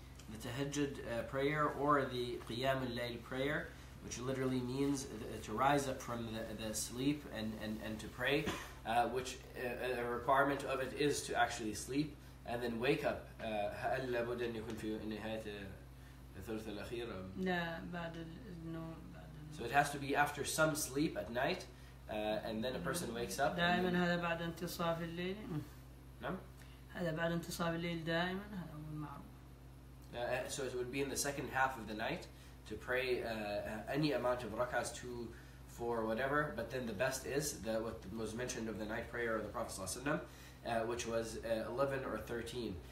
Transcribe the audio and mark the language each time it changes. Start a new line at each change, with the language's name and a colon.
English: The tahajjud prayer or the qiyam al layl prayer, which literally means to rise up from the sleep and to pray, which a requirement of it is to actually sleep and then wake up.
Arabic: هل لابد أن يكون في نهاية الثلث الأخير؟ لا بعد النوم.
English: So it has to be after some sleep at night. And then a person wakes up.
Arabic: دائما هذا بعد انتصاف الليل. نعم. هذا بعد انتصاف الليل دائما هذا هو المعروف.
English: So it would be in the second half of the night to pray any amount of rak'ahs, 2, 4, whatever. But then the best is the what was mentioned of the night prayer of the Prophet
Arabic: صلى الله عليه وسلم,
English: which was 11 or 13.